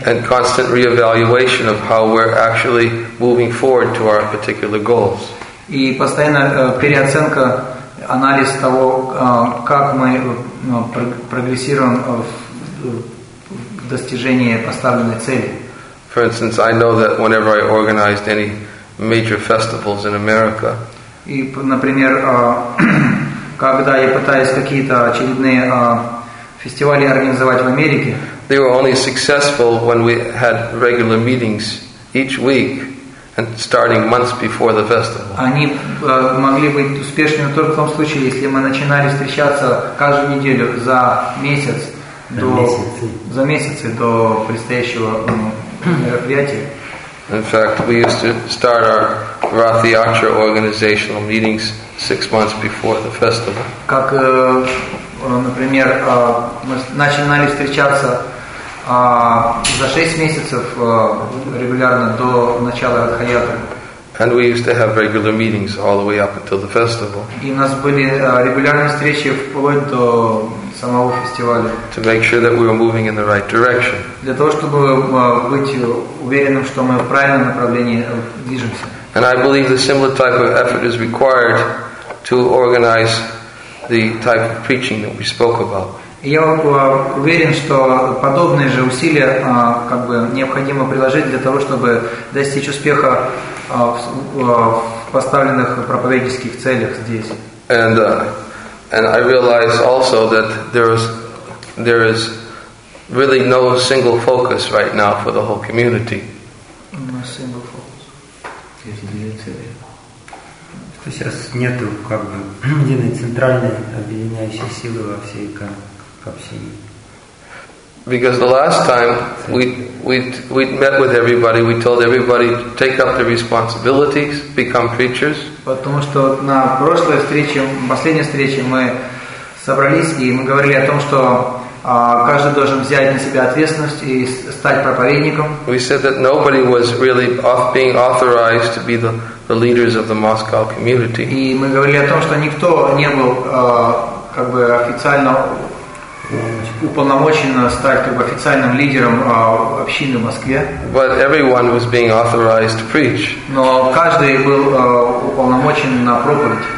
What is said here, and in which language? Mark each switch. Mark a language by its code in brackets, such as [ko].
[en] And constant reevaluation of how we're actually moving forward to our particular goals. [ru] И постоянно переоценка, анализ того, как мы прогрессируем в достижении поставленной цели. [en] For instance, I know that whenever I organized any major festivals in America. [ru] И, например, когда я пытаюсь какие-то очередные фестивали организовать в Америке. [en] They were only successful when we had regular meetings each week and starting months before the festival. [ru] Они могли быть успешными только в том случае, если мы начинали встречаться каждую неделю за месяц до предстоящего мероприятия. [en] In fact, we used to start our Rathyatra organizational meetings 6 months before the festival. [ru] Как, например, мы начинали встречаться за 6 месяцев регулярно до начала Радха-ятры. [en] And we used to have regular meetings all the way up until the festival. [ru] И у нас были регулярные встречи вплоть до самого фестиваля. [en] To make sure that we were moving in the right direction. [ru] Для того чтобы быть уверенным, что мы в правильном направлении движемся. [en] And I believe the similar type of effort is required to organize the type of preaching that we spoke about. [ru] Я уверен, что подобные же усилия как бы необходимо приложить для того, чтобы достичь успеха в поставленных проповеднических целях здесь. [en] And I realize also that there is really no single focus right now for the whole community. No single focus. [ru] То есть сейчас нету как бы единой центральной объединяющей силы во всей общине. [en] Because the last time we met with everybody, we told everybody to take up their responsibilities, become preachers. [ru] Потому что на прошлой встрече, последней встрече мы собрались и мы говорили о том, что каждый должен взять на себя ответственность и стать проповедником. [en] We said that nobody was really being authorized to be the leaders of the Moscow community. [ru] И мы говорили о том, что никто не был как бы официально уполномочен стать как бы официальным лидером общины в Москве. [en] But everyone was being authorized to preach. [ru] Но каждый был уполномочен на проповедь.